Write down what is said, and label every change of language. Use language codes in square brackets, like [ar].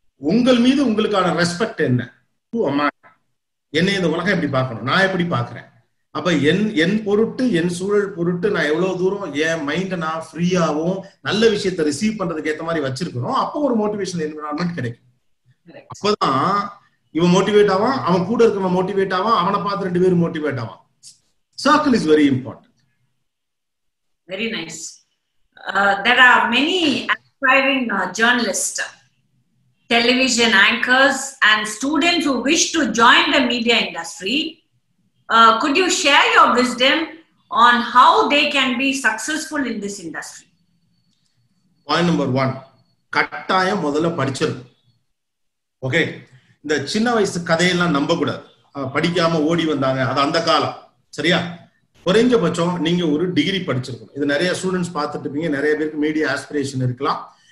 [ta] உங்கள் மீது உங்களுக்கான ரெஸ்பெக்ட் என்ன, என்னை இந்த உலகம் எப்படி பார்க்கணும், நான் எப்படி பார்க்கறேன், அப்ப என் பொருட்டு என் சூழல் பொருட்டு நான் எவ்வளவு தூரம் என் மைண்ட நான் ஃப்ரீயாவும் நல்ல விஷயத்தை ரிசீவ் பண்றதுக்கு ஏத்த மாதிரி வச்சிருக்கிறோம், அப்போ ஒரு மோட்டிவேஷன் என்விரான்மெண்ட் கிடைக்கும். அப்பதான் இவன் மோட்டிவேட் ஆவான், அவன் கூட இருக்கவன் மோட்டிவேட் ஆவான், அவனை பார்த்து ரெண்டு பேரும் மோட்டிவேட் ஆவான். [en] Circle is very important. Very nice. There are many aspiring journalists, television anchors and students who wish to join the media industry. Could you share your wisdom on how they can be successful in this industry? [ta] Point number 1, கட்டாயம் முதல்ல படிச்சிரு. Okay, இந்த சின்ன வயசு கதையெல்லாம் நம்ப கூடாது. படிக்காம ஓடி வந்தாங்க அது அந்த காலம், சரியா? குறைஞ்சபட்சம் நீங்க ஒரு டிகிரி படிச்சிருக்கணும். இது நிறைய ஸ்டூடெண்ட்ஸ் பார்த்துட்டு இருப்பீங்க, நிறைய பேருக்கு மீடியா ஆஸ்பிரேஷன் இருக்கலாம்.